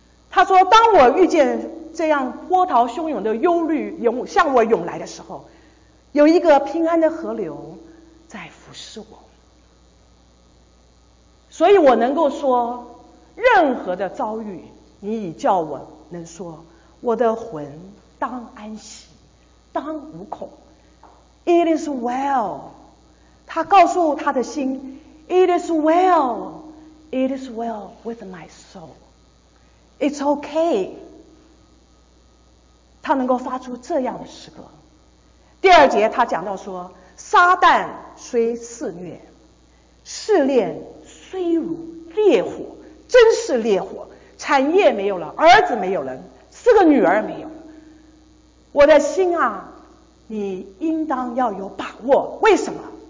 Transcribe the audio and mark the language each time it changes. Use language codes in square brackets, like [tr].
[zh] 他说当我遇见这样波涛汹涌的忧虑向我涌来的时候，有一个平安的河流在服侍我，所以我能够说任何的遭遇你已叫我能说我的魂当安息，当无恐。 [en] It is well， [zh] 他告诉他的心 [en] It is well， It is well with my soul， It's okay。 [zh] 他能够发出这样的诗歌。第二节他讲到说，撒旦虽肆虐，试炼虽如烈火，真是烈火，产业没有了，儿子没有了，四个女儿没有了，我的心啊，你应当要有把握。为什么？